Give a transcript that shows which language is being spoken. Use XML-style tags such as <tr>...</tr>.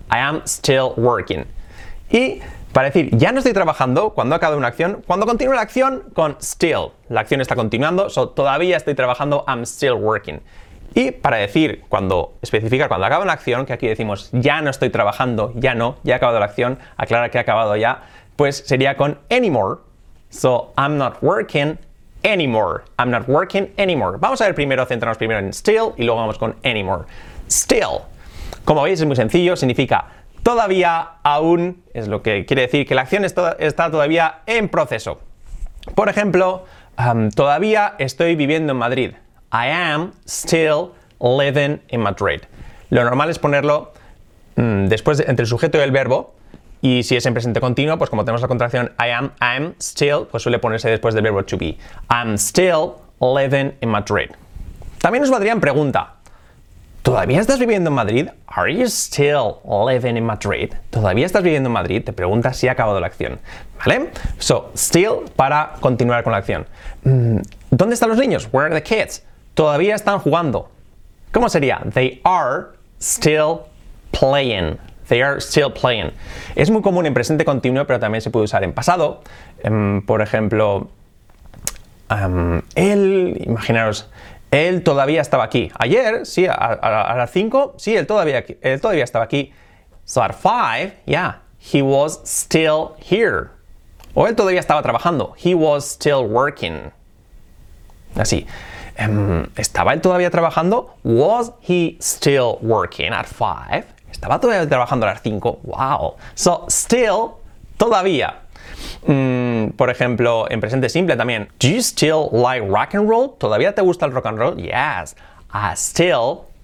<en>I am still working.</en> <es>Y para decir ya no estoy trabajando, cuando acaba una acción, cuando continúa la acción, con still. La acción está continuando, so todavía estoy trabajando,</es> <en>I'm still working.</en> <es>Y para decir, cuando especificar cuando acaba una acción, que aquí decimos ya no estoy trabajando, ya no, ya he acabado la acción, aclara que ha acabado ya, pues sería con anymore.</es> <en>So I'm not working anymore. I'm not working anymore.</en> <es>Vamos a ver primero, centrarnos primero en still y luego vamos con anymore. Still. Como veis es muy sencillo, significa todavía, aún, es lo que quiere decir que la acción está todavía en proceso. Por ejemplo, todavía estoy viviendo en Madrid.</es> <en>I am still living in Madrid.</en> <es>Lo normal es ponerlo después entre el sujeto y el verbo. Y si es en presente continuo, pues como tenemos la contracción I am still, pues suele ponerse después del verbo to be.</es> <en>I'm still living in Madrid.</en> <es>También os valdría en pregunta. ¿Todavía estás viviendo en Madrid?</es> <en>Are you still living in Madrid?</en> <es>¿Todavía estás viviendo en Madrid? Te pregunta si ha acabado la acción. ¿Vale? So, still para continuar con la acción. ¿Dónde están los niños?</es> <en>Where are the kids?</en> <es>Todavía están jugando. ¿Cómo sería?</es> <en>They are still playing. They are still playing.</en> <es>Es muy común en presente continuo, pero también se puede usar en pasado. Por ejemplo, él todavía estaba aquí. Ayer, sí, a las 5, sí, él todavía estaba aquí.</es> <en>So at 5, yeah, he was still here.</en> <es>O él todavía estaba trabajando.</es> <en>He was still working.</en> <es>Así. ¿Estaba él todavía trabajando?</es> <en>Was he still working at 5?</en> <es>¿Estaba todavía trabajando a las 5? Wow. So, still, todavía. Por ejemplo, en presente simple también.</es> <en>Do you still like rock and roll?</en> <es>¿Todavía te gusta el rock and roll?</es> <en>Yes. I still</en>